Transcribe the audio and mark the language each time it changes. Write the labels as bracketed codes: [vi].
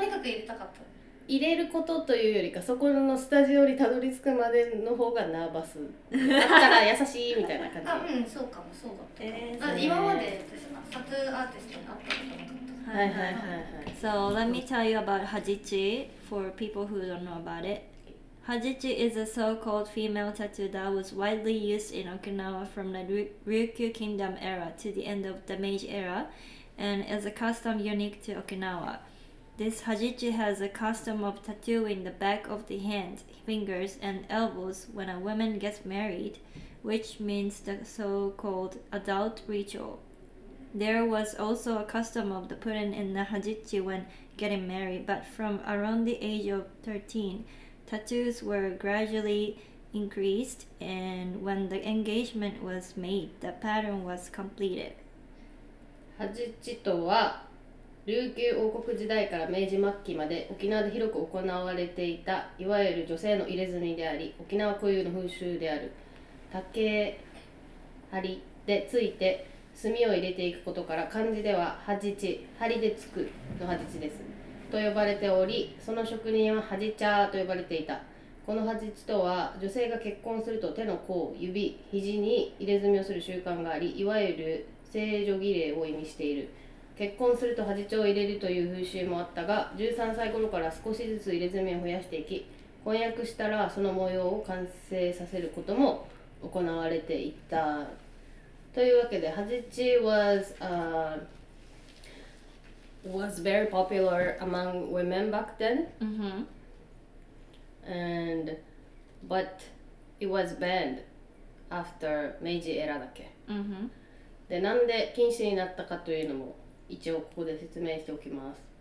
[ja] でもとにかく入れたかった、入れることというよりか、そこのスタジオにたどり着くまでの方がナーバスだったら優しいみたいな感じあ、そうかも、そうだったかも、今まで私はタトゥーアーティストに会ったことなかった。はい [en] So, let me tell you about Hajichi for people who don't know about it. Hajichi is a so-called female tattoo that was widely used in Okinawa from the Ryukyu Kingdom era to the end of the Meiji era, and is a custom unique to Okinawa. This hajichi has a custom of tattooing the back of the hands, fingers, and elbows when a woman gets married, which means the so-called adult ritual. There was also a custom of the putting in the hajichi when getting married, but from around the age of 13, tattoos were gradually increased, and when the engagement was made, the pattern was completed. [ja] Hajichi とは琉球王国時代から明治末期まで沖縄で広く行われていたいわゆる女性の入れ墨であり、沖縄固有の風習である竹針でついて墨を入れていくことから漢字ではハジチ、針でつくのハジチですと呼ばれており、その職人はハジチャーと呼ばれていた。このハジチとは女性が結婚すると手の甲、指、肘に入れ墨をする習慣があり、いわゆる聖女儀礼を意味している。結婚するとハジチを入れるという風習もあったが、13歳頃から少しずつ入れ墨を増やしていき、婚約したらその模様を完成させることも行われていた。というわけで、 [en] ハジチ was very popular among women back then. Mm-hmm. And, but it was banned after Meiji era [ja] だけ。 Mm-hmm. で、なんで禁止になったかというのも、一応ここで説明しておきます。